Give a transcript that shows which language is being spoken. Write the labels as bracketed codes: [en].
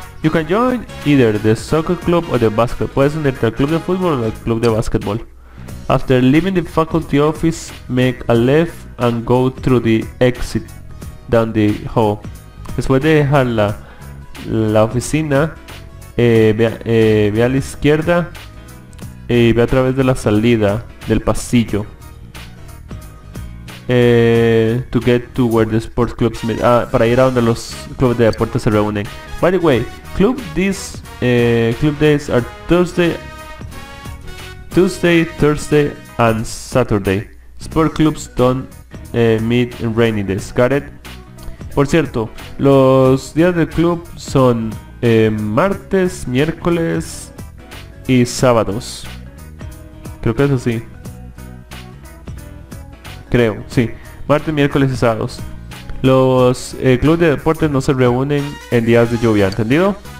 [en] You can join either the soccer club or the basketball. [es] Puedes unirte al club de fútbol o al club de basketball. [en] After leaving the faculty office, make a left and go through the exit down the hall. [es] Después de dejar la oficina, ve a la izquierda y ve a través de la salida del pasillo. [en] To get to where the sports clubs meet. [es] Para ir a donde los clubes de deportes se reúnen. [en] By the way, club days are Tuesday, Thursday and Saturday. Sport clubs don't meet in rainy days. Got it? [es] Por cierto, los días del club son martes, miércoles y sábados. Creo que es así. Creo, sí. Martes, miércoles y sábados. Los clubes de deportes no se reúnen en días de lluvia, ¿entendido?